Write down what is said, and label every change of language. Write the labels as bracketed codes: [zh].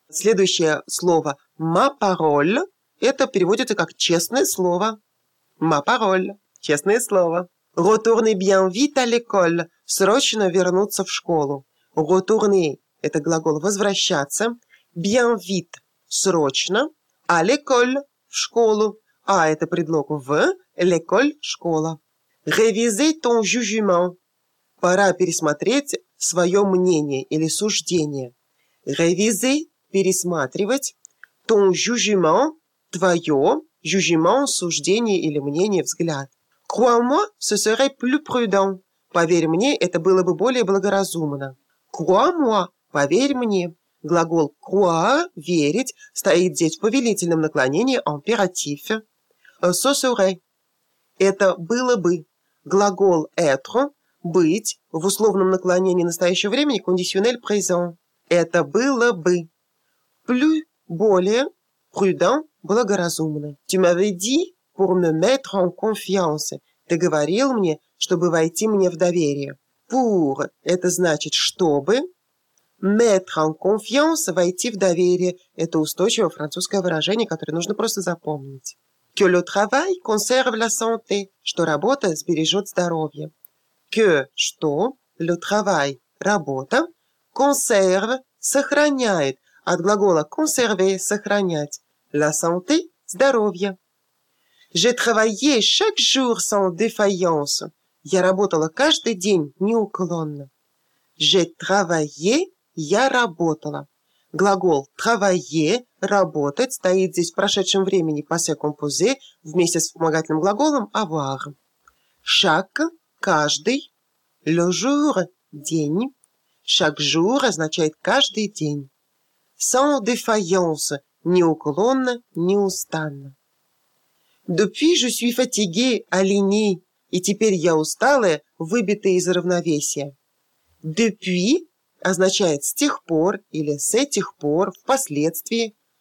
[ru] Следующее слово [fr] «ma parole» [ru] — это переводится как «честное слово». [fr] «Ma parole» [ru] — «честное слово». [fr] «Retournez bien vite à l'école» [ru] — «срочно вернуться в школу». «Retournez» — это глагол «возвращаться». [fr] «Bien vite» [ru] — «срочно». [fr] «À l'école» [ru] — «в школу». А это предлог в, l'école, школа. [fr] Révisez ton jugement. [ru] Пора пересмотреть свое мнение или суждение. Révisez, пересматривать. [fr] Ton jugement, твое. [ru] Jugement, суждение или мнение, взгляд. [fr] Crois-moi, ce serait plus prudent. [ru] Поверь мне, это было бы более благоразумно. [fr] Crois-moi, [ru] поверь мне. Глагол croire, верить, стоит здесь в повелительном наклонении, императив. [fr] «Ce serait» [ru] – это «было бы». Глагол «être» – «быть» в условном наклонении настоящего времени – «conditionnel présent». «Это было бы». «Plus» – «более», «prudent» – «благоразумно». [fr] «Tu m'avais dit pour me mettre en confiance» – [ru] «ты говорил мне, чтобы войти мне в доверие». «Pour» – это значит «чтобы». [fr] «Mettre en confiance» [ru] – «войти в доверие» – это устойчивое французское выражение, которое нужно просто запомнить. [fr] Que le travail conserve la santé, [ru] что работа сбережет здоровье. Que, что, le travail, работа, conserve, сохраняет, от глагола conserver, сохранять, la santé, здоровье. [fr] J'ai travaillé chaque jour sans défaillance, [ru] я работала каждый день неуклонно. [fr] J'ai travaillé, [ru] я работала. Глагол «travailler» – «работать» стоит здесь в прошедшем времени «passé composé» вместе с вспомогательным глаголом «avoir». «Chaque» – «каждый», «le jour» – «день». «Chaque jour» означает «каждый день». [fr] «Sans défaillance» [ru] – «неуклонно», «неустанно». [fr] «Depuis je suis fatiguée, alignée» [ru] – «и теперь я усталая, выбитая из равновесия». «Depuis» означает «с тех пор» или «с этих пор», «впоследствии».